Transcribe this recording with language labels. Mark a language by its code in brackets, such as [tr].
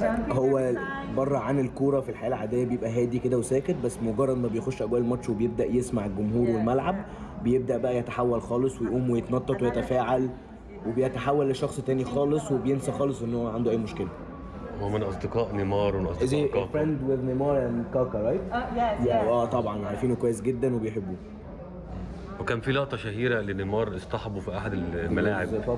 [ar] هو بره عن الكوره في الحياه العاديه بيبقى هادي كده وساكت بس مجرد ما بيخش اجواء الماتش وبيبدا يسمع الجمهور والملعب بيبدا بقى يتحول خالص ويقوم ويتنطط ويتفاعل وبيتحول لشخص تاني خالص وبينسى خالص ان هو عنده اي مشكله. هو من اصدقاء نيمار ومن اصدقاء كاكا. [en] Is he a friend with Neymar and Kaka, right? Yes. [ar] طبعا عارفينه كويس جدا وبيحبوه. وكان في لقطه شهيره لنيمار اصطحبه في احد الملاعب.